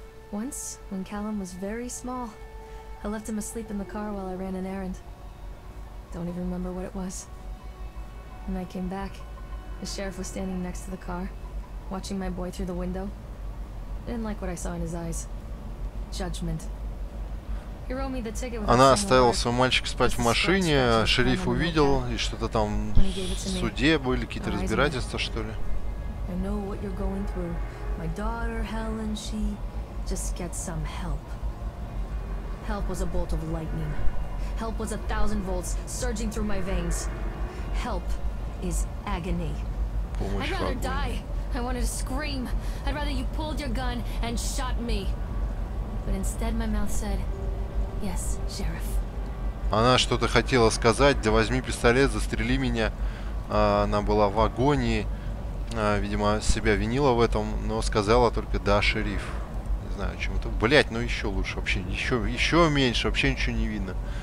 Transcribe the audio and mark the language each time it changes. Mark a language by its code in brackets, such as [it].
[en] Once, when Callum was very small, I left him asleep in the car while I ran an errand. Don't even remember what it was. When I came back, the sheriff was standing next to the car, watching my boy through the window. I didn't like what I saw in his eyes. Judgment. [ru] Она оставила своего мальчика спать в машине, шериф увидел, и что-то там в суде были какие-то разбирательства, что ли. [en] I know what you're going through. My daughter, Helen, she... Just get some help. Help was a bolt of lightning. Help was 1,000 volts surging through my veins. Help is agony. [ru] Помощь, [en] I'd rather die. I wanted to scream. I'd rather you pulled your gun and shot me. But instead my mouth said... Yes, sheriff. [ru] Она что-то хотела сказать. Да возьми пистолет, застрели меня. Она была в агонии. Видимо, себя винила в этом, но сказала только да, шериф. Не знаю, чем это. Блять, ну еще лучше, вообще еще меньше, вообще ничего не видно.